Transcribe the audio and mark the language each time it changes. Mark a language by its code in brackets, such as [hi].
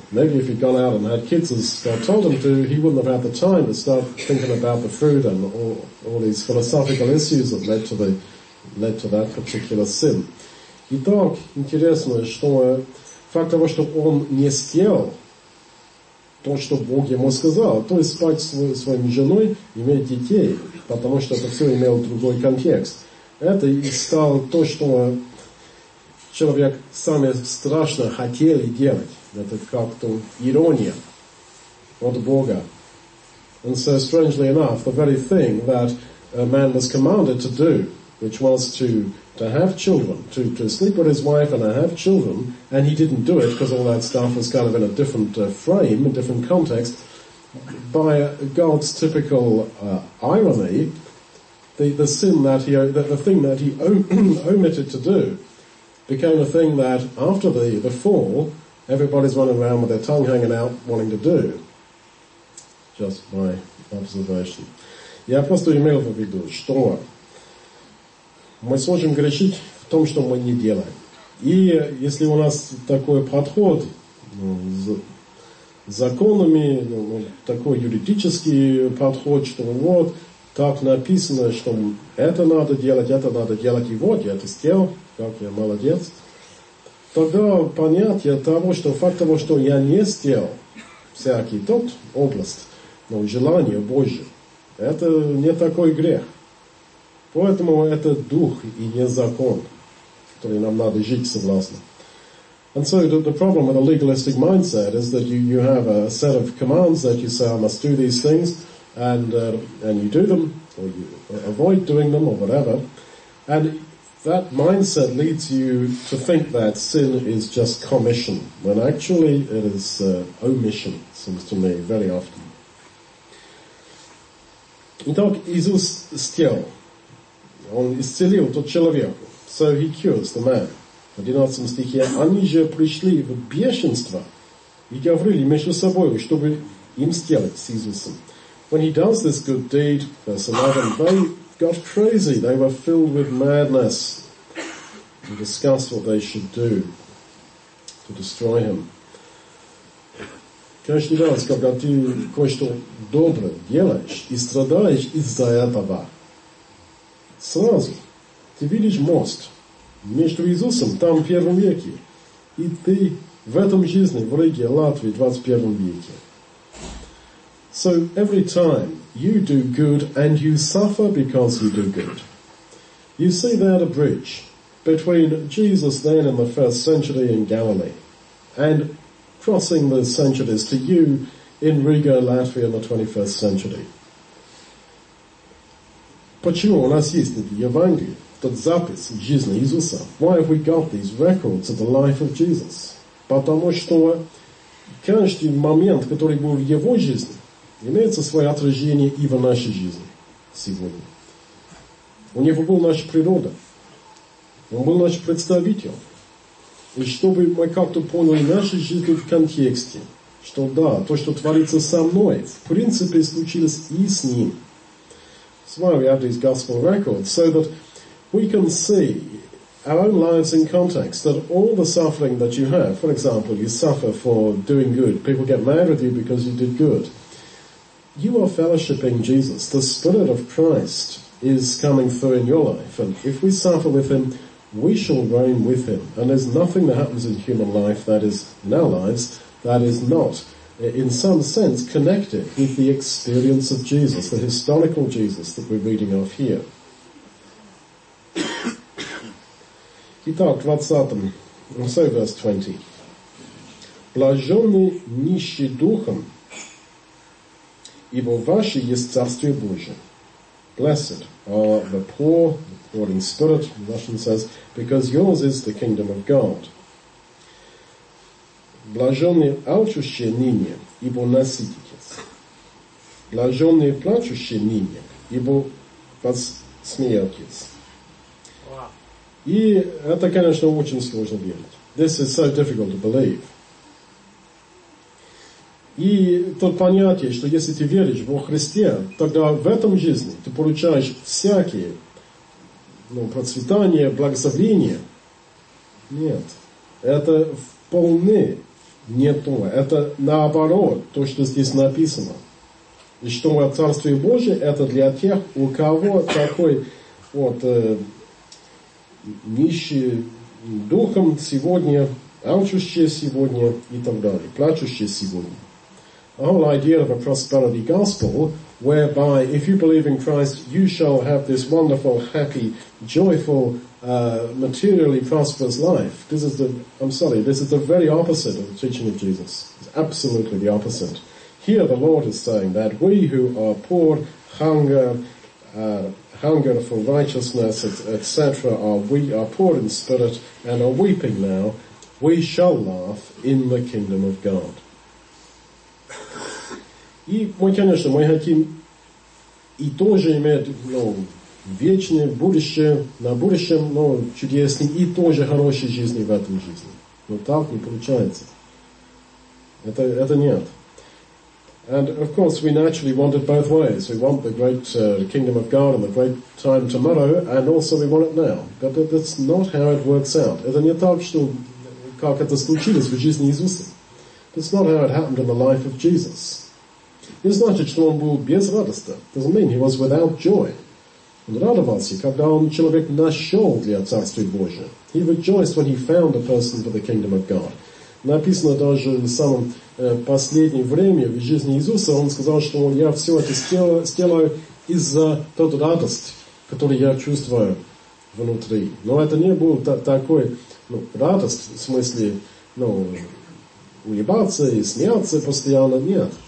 [en] Maybe if he'd gone out and had kids as God told him to, he wouldn't have had the time to start thinking about the fruit and all these philosophical issues that led to that particular sin. [ru] Итак, интересно, что факт того, что он не съел то, что Бог ему сказал, то есть спать со своей женой, иметь детей, потому что это все имело другой контекст. Это и стало то, что человек самое страшное хотел делать. Это как-то ирония от Бога. [en] And so, strangely enough, the very thing that a man was commanded to do, which was to to have children, to sleep with his wife and to have children, and he didn't do it because all that stuff was kind of in a different frame, a different context, by God's typical irony, the sin that he, the thing that he omitted to do, became a thing that after the fall, everybody's running around with their tongue hanging out, wanting to do. Just my observation. [ru] Я просто имел в виду, что мы сможем грешить в том, что мы не делаем. И если у нас такой подход, ну, с законами, ну, такой юридический подход, что вот так написано, что это надо делать, и вот я это сделал, как я молодец, тогда понятие того, что факт того, что я не сделал всякий тот область, но желание Божье, это не такой грех. Поэтому это дух и не закон, который нам надо жить согласно. [en] And so the problem with a legalistic mindset is that you have a set of commands that you say, I must do these things, and you do them, or you avoid doing them, or whatever. And that mindset leads you to think that sin is just commission, when actually it is omission, seems to me, very often. [ru] Итак, Иисус сделал. Он исцелил тот человек. [en] So he cures the man. [ru] В 11 стихе. Они же пришли в бешенство и говорили между собой, чтобы им сделать с Иисусом. [en] When he does this good deed, verse 11, they got crazy. They were filled with madness and discussed what they should do to destroy him. [ru] Каждый раз, когда ты кое-что доброе делаешь и страдаешь из-за этого, сразу ты видишь мост между Иисусом там в первом веке, и ты в этом жизни в Риге, Латвии, в 21 веке. [en] So every time you do good and you suffer because you do good, you see there a bridge between Jesus then in the first century in Galilee and crossing the centuries to you in Riga, Latvia in the 21st century. [ru] Почему у нас есть эти Евангелия, тот запись жизни Иисуса? [en] Why have we got these records of the life of Jesus? [ru] Потому что каждый момент, который был в его жизни, имеется свое отражение и в нашей жизни сегодня. У него была наша природа. Он был наш представитель. И чтобы мы как-то поняли нашу жизнь в контексте, что да, то, что творится со мной, в принципе, случилось и с ним. [en] That's why we have these gospel records, so that we can see our own lives in context, that all the suffering that you have, for example, you suffer for doing good, people get mad with you because you did good. You are fellowshipping Jesus. The Spirit of Christ is coming through in your life. And if we suffer with him, we shall reign with him. And there's nothing that happens in human life, that is, in our lives, that is not, in some sense, connected with the experience of Jesus, the historical Jesus that we're reading of here. [ru] Итак, [en] 20, also verse 20. [ru] Блаженны нищие духом, ибо ваше есть Царствие Божие. [en] Blessed are the poor in spirit, Russian says, because yours is the kingdom of God. [ru] Блаженны алчущие ныне, ибо насытитесь. Блаженны плачущие ныне, ибо посмеетесь. И это, конечно, очень сложно верить. [en] This is so difficult to believe. [ru] И то понятие, что если ты веришь во Христе, тогда в этом жизни ты получаешь всякие, ну, процветания, благословения. Нет. Это вполне не то. Это наоборот, то, что здесь написано. И что Царствие Божие это для тех, у кого такой вот нищий духом сегодня, алчущий сегодня и так далее, плачущий сегодня. [en] The whole idea of a prosperity gospel, whereby if you believe in Christ, you shall have this wonderful, happy, joyful, materially prosperous life. This is the very opposite of the teaching of Jesus. It's absolutely the opposite. Here the Lord is saying that we who are poor, hunger, hunger for righteousness, etc., we are poor in spirit and are weeping now, we shall laugh in the kingdom of God. [ru] И мы, конечно, мы хотим и тоже иметь, ну, вечное будущее, на будущем, ну, чудесный и тоже хорошей жизни в этой жизни. Но так не получается. Это нет. [en] And of course, we naturally want it both ways. We want the great kingdom of God and the great time tomorrow, and also we want it now. But that's not how it works out. [ru] Это не так, что как это случилось в жизни Иисуса. [en] That's not how it happened in the life of Jesus. [ru] Не значит, что он был без радости. [en] Doesn't mean he was without joy. [ru] Он радовался, когда он человек нашел для Царствия Божия. [en] He rejoiced when he found a person for the kingdom of God. [ru] Написано даже в самом последнем времени в жизни Иисуса, он сказал, что я все это сделаю из-за той радости, которую я чувствую внутри. Но это не было такой, ну, радость, в смысле, ну, улыбаться и смеяться постоянно, нет.